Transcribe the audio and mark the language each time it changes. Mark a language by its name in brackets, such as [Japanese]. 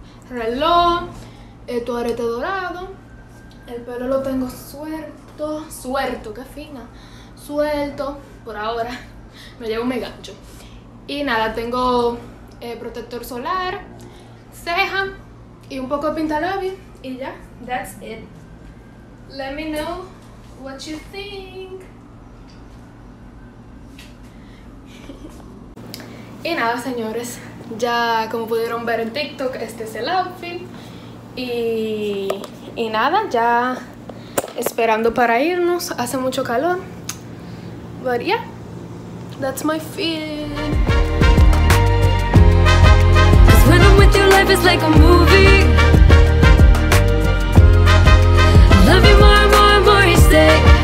[Spanish] Reloj, tu arete dorado. El pelo lo tengo suelto. Suelto, qué fina. Suelto, por ahora. Me llevo mi gancho. Y nada, tengo protector solar, ceja y un poco de pintalabios. Y ya, [English] that's it. Let me know what you think. [Spanish] Y nada, señores, ya como pudieron ver en TikTok, este es el outfit. Y nada, ya esperando para irnos. Hace mucho calor. [English] But yeah, that's my feeling. Cause when I'm with your life, it's like a movie. Love you more and more and more each day.